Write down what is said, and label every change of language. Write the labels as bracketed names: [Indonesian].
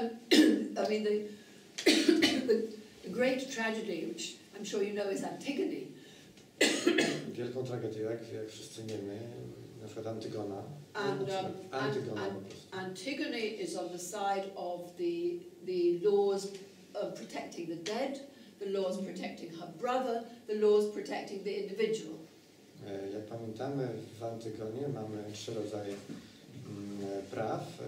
[English] I mean the great tragedy, which I'm sure you know, is Antigone. [Polish] Wielką tragedię, jak wszyscy wiemy, na przykład Antygona. [English] Antigone is on the side of the laws of protecting the dead, the laws protecting her brother, the laws protecting the individual. [Polish] Jak pamiętamy, w Antygonie mamy trzy rodzaje praw.